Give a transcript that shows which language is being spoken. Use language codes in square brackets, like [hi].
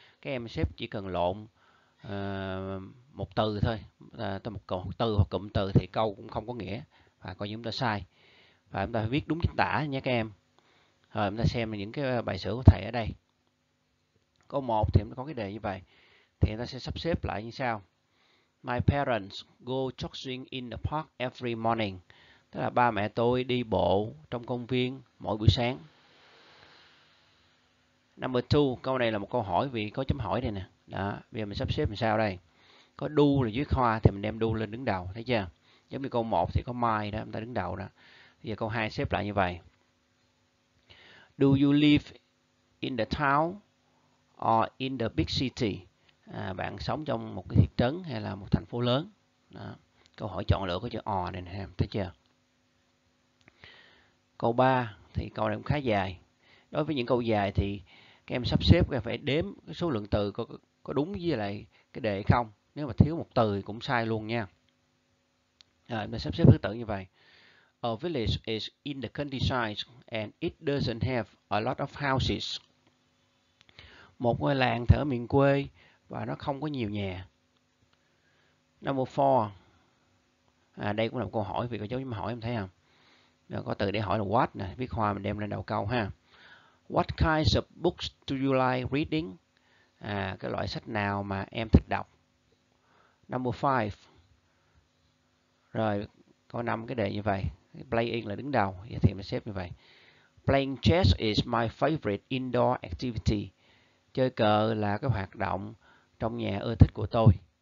[vi] Các em xếp chỉ cần lộn một từ thôi. Một từ hoặc cụm từ thì câu cũng không có nghĩa. Và coi như chúng ta sai. Và chúng ta phải viết đúng chính tả nha các em. Rồi chúng ta xem những cái bài sửa của thầy ở đây. Câu 1 thì có cái đề như vậy. Thì chúng ta sẽ sắp xếp lại như sau. [en] My parents go jogging in the park every morning. [vi] Tức là ba mẹ tôi đi bộ trong công viên mỗi buổi sáng. Number 2, câu này là một câu hỏi vì có chấm hỏi đây nè. Đó, bây giờ mình sắp xếp làm sao đây? Có do là dưới hoa thì mình đem do lên đứng đầu, thấy chưa? Giống như câu 1 thì có my đó, chúng ta đứng đầu đó. Bây giờ câu 2 xếp lại như vậy. [en] Do you live in the town or in the big city? [vi] Bạn sống trong một cái thị trấn hay là một thành phố lớn? Đó. Câu hỏi chọn lựa có chữ or này nè, thấy chưa? Câu 3 thì câu này cũng khá dài. Đối với những câu dài thì các em sắp xếp các em phải đếm cái số lượng từ có đúng với lại cái đề không. Nếu mà thiếu một từ thì cũng sai luôn nha. Rồi, mình sắp xếp thứ tự như vậy. [en] A village is in the countryside and it doesn't have a lot of houses. [vi] Một ngôi làng thì ở miền quê và nó không có nhiều nhà. Number 4. Đây cũng là một câu hỏi vì có dấu chấm hỏi em thấy không? Rồi, có từ để hỏi là what nè, viết hoa mình đem lên đầu câu ha. [en] What kinds of books do you like reading? [vi] Cái loại sách nào mà em thích đọc? Number 5. Rồi, câu 5 cái đề như vậy. Playing là đứng đầu, vậy thì mình xếp như vậy. [en] Playing chess is my favorite indoor activity. [vi] Chơi cờ là cái hoạt động trong nhà ưa thích của tôi.